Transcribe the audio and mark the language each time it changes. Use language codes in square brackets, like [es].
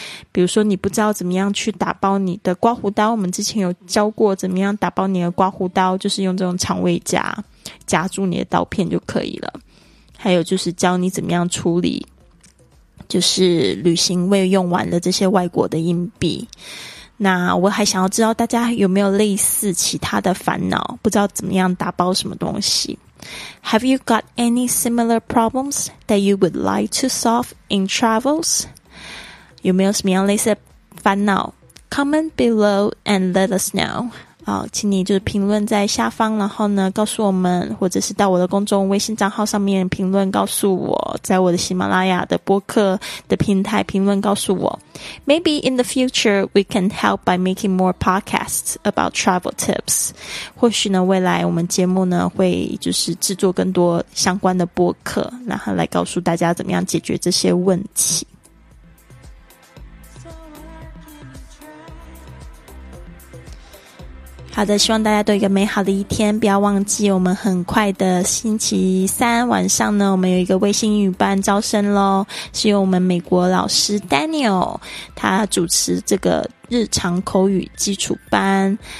[zh] 比如说你不知道怎么样去打包你的刮胡刀，我们之前有教过怎么样打包你的刮胡刀，就是用这种肠胃夹夹住你的刀片就可以了。还有就是教你怎么样处理就是旅行未用完的这些外国的硬币。那我还想要知道大家有没有类似其他的烦恼，不知道怎么样打包什么东西。 [en] Have you got any similar problems that you would like to solve in travels? [zh] 有没有什么样类似的烦恼？ [en] Comment below and let us know。 [zh] 请你就是评论在下方，然后呢告诉我们，或者是到我的公众微信账号上面评论告诉我，在我的喜马拉雅的播客的平台评论告诉我。 [en] Maybe in the future we can help by making more podcasts about travel tips。 [zh] 或许呢未来我们节目呢会就是制作更多相关的播客，然后来告诉大家怎么样解决这些问题。好的，希望大家都有一个美好的一天，不要忘记我们很快的星期三晚上呢，我们有一个微信英语班招生咯，是由我们美国老师 Daniel 他主持这个日常口语基础班。